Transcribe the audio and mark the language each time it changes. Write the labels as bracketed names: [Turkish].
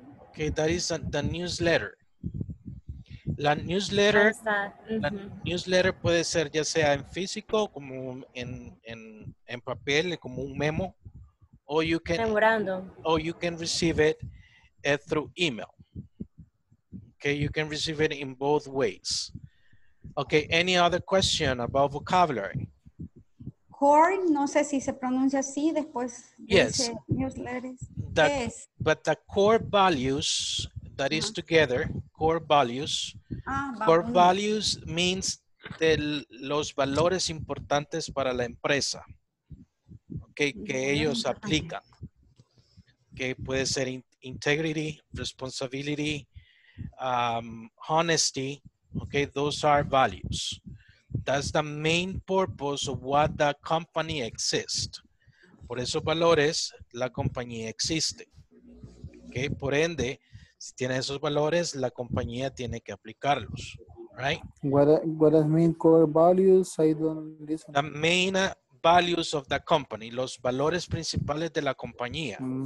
[English] Okay, that is the newsletter. [Spanish] La newsletter, la newsletter puede ser ya sea en físico, como en papel, como un memo, [English] or you can receive it through email. Okay, you can receive it in both ways. Okay, any other question about vocabulary? [Spanish] Core, no sé si se pronuncia así, después [English] yes. [Spanish] Dice newsletters. [English] The, yes. But the core values, that is together, core values. Core values means [Spanish] de los valores importantes para la empresa. Okay, que ellos aplican. Que okay, puede ser [English] integrity, responsibility, honesty. Okay, those are values. That's the main purpose of what the company exists. [Spanish] Por esos valores, la compañía existe. Okay, por ende, si tiene esos valores, la compañía tiene que aplicarlos. [English] Right? What does mean core values? I don't listen. The main values of the company, [Spanish] los valores principales de la compañía.